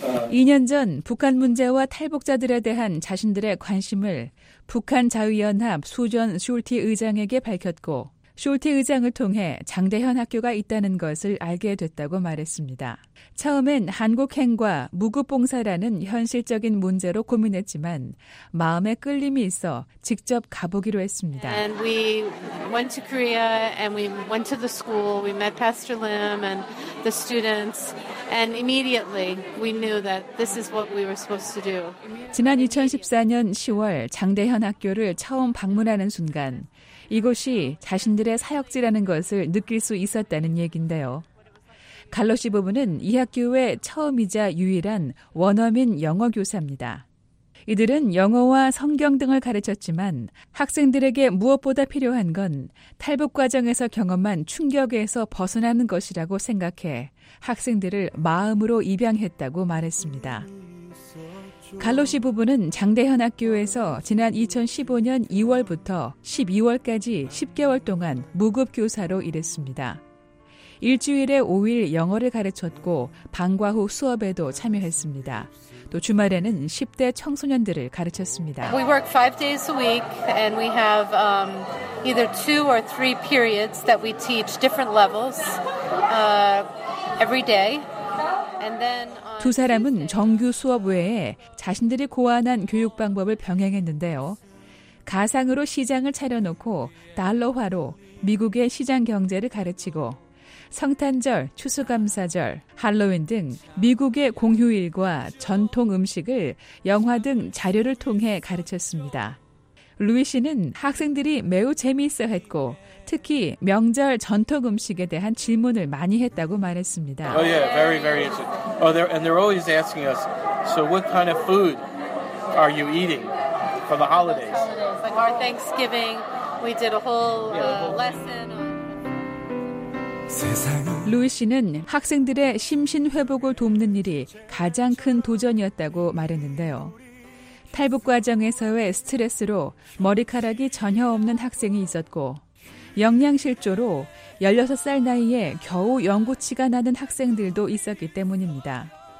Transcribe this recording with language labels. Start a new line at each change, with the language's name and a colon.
Korean: 2년 전 북한 문제와 탈북자들에 대한 자신들의 관심을 북한 자유연합 수전 숄티 의장에게 밝혔고 숄티 의장을 통해 장대현 학교가 있다는 것을 알게 됐다고 말했습니다. 처음엔 한국행과 무급봉사라는 현실적인 문제로 고민했지만 마음에 끌림이 있어 직접 가보기로 했습니다.
English: And we went to Korea and we went to the school. We met Pastor Lim and the students and immediately we knew that this is what we were supposed to do.
Korean: 지난 2014년 10월 장대현 학교를 처음 방문하는 순간 이곳이 자신들의 사역지라는 것을 느낄 수 있었다는 얘긴데요. 갈로 씨 부부는 이 학교의 처음이자 유일한 원어민 영어 교사입니다. 이들은 영어와 성경 등을 가르쳤지만 학생들에게 무엇보다 필요한 건 탈북 과정에서 경험한 충격에서 벗어나는 것이라고 생각해 학생들을 마음으로 입양했다고 말했습니다. 갈로 씨 부부는 장대현 학교에서 지난 2015년 2월부터 12월까지 10개월 동안 무급 교사로 일했습니다. 일주일에 5일 영어를 가르쳤고 방과 후 수업에도 참여했습니다. 또 주말에는 10대 청소년들을 가르쳤습니다.
English: We work 5 days a week and we have either 2 or 3 periods that we teach different levels every day. And then
Korean: 두 사람은 정규 수업 외에 자신들이 고안한 교육 방법을 병행했는데요. 가상으로 시장을 차려놓고 달러화로 미국의 시장 경제를 가르치고 성탄절, 추수감사절, 할로윈 등 미국의 공휴일과 전통 음식을 영화 등 자료를 통해 가르쳤습니다. 루이 씨는 학생들이 매우 재미있어 했고 특히 명절 전통 음식에 대한 질문을 많이 했다고 말했습니다.
English: Oh yeah, very very interesting. Oh, they're always asking us. So what kind of food are you eating for the holidays? Like our Thanksgiving, we did a whole lesson.
Korean: 루이 씨는 학생들의 심신 회복을 돕는 일이 가장 큰 도전이었다고 말했는데요. 탈북 과정에서의 스트레스로 머리카락이 전혀 없는 학생이 있었고 영양실조로 16살 나이에 겨우 연고치가 나는 학생들도 있었기 때문입니다.